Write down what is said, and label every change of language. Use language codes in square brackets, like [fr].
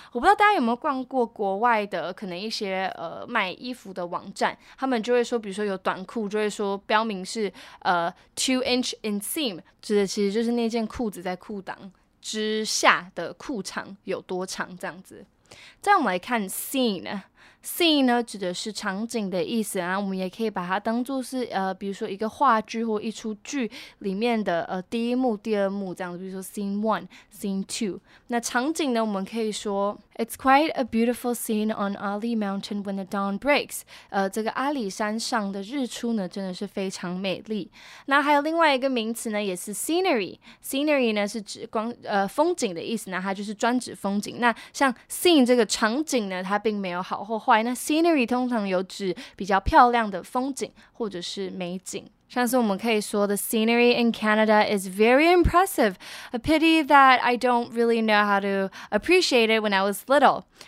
[zh] 我不知道大家有没有逛过国外的 可能一些卖衣服的网站， 他们就会说， 比如说有短裤， 就会说标明是 2-inch inseam， 指的其实就是那件裤子在裤裆之下的裤长有多长这样子。再我们来看scene。Scene呢指的是场景的意思， 我们也可以把它当作是 比如说一个话剧或一出剧里面的 第一幕第二幕这样子， 比如说 scene 1 scene 2。那场景呢， 我们可以说 [en] It's quite a beautiful scene on Ali Mountain when the dawn breaks. [zh] 这个阿里山上的日出呢， 真的是非常美丽。那还有另外一个名词呢， 也是 scenery。Scenery呢是指光 风景的意思， 那它就是专指风景。那像scene这个场景呢， 它并没有好或坏。那 scenery 通常有指比较漂亮的风景 或者是美景。像是我们可以说 [en] The scenery in Canada is very impressive. A pity that I don't really know how to appreciate it when I was little.